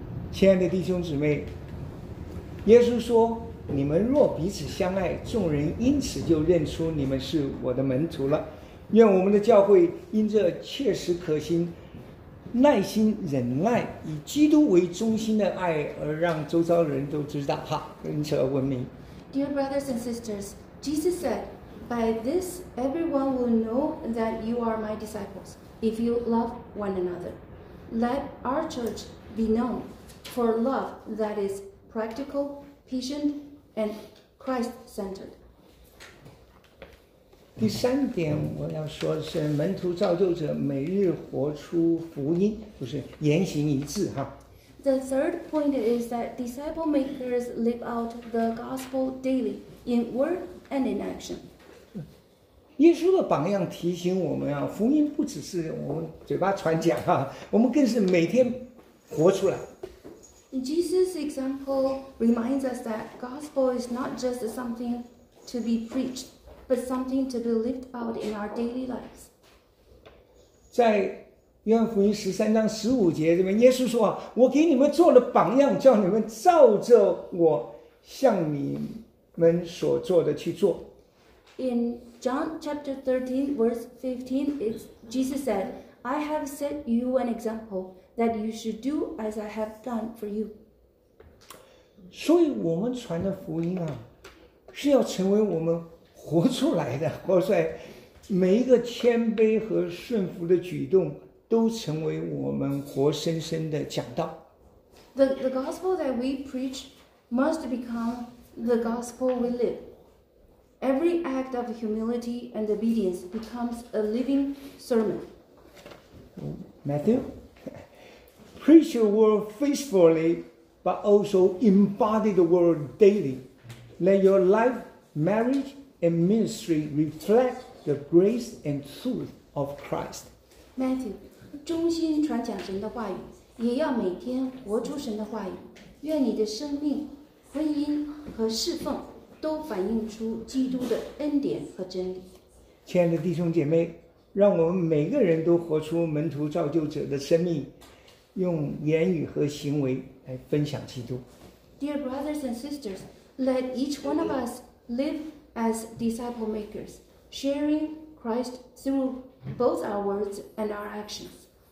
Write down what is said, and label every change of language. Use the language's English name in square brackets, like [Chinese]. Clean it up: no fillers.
[Chinese] 亲爱的弟兄姊妹，耶稣说，你们若彼此相爱，众人因此就认出你们是我的门徒了。愿我们的教会因这切实可行、耐心忍耐、以基督为中心的爱，而让周遭的人都知道，哈，因此而闻名。 [English] Dear brothers and sisters, Jesus said, by this everyone will know that you are my disciples, if you love one another. Let our church be known for love that is practical, patient, and Christ-centered. [Chinese] 第三点我要说的是，门徒造就者每日活出福音，就是言行一致哈。 [English] The third point is that disciple makers live out the gospel daily in word and in action. [Chinese] 耶稣的榜样提醒我们啊，福音不只是我们嘴巴传讲哈，我们更是每天活出来。 [English] Jesus' example reminds us that gospel is not just something to be preached, but something to be lived out in our daily lives. [Chinese] 在约翰福音十三章十五节这边，耶稣说：“我给你们做了榜样，叫你们照着我向你们所做的去做。” [English] In John chapter 13, verse 15, Jesus said, "I have set you an example." That you should do as I have done for you. [Chinese] 所以我们传的福音啊，是要成为我们活出来的，活出来每一个谦卑和顺服的举动，都成为我们活生生的讲道。 [English] The gospel that we preach must become the gospel we live. Every act of humility and obedience becomes a living sermon. Matthew. Preach your word faithfully, but also embody the word daily. Let your life, marriage, and ministry reflect the grace and truth of Christ. [Chinese] Matthew, 忠心传讲神的话语，也要每天活出神的话语。愿你的生命、婚姻和侍奉都反映出基督的恩典和真理。亲爱的弟兄姐妹，让我们每个人都活出门徒造就者的生命。用言语和行为来分享基督。 [English] Dear brothers and sisters, let each one of us live as disciple makers, sharing Christ through both our words and our actions.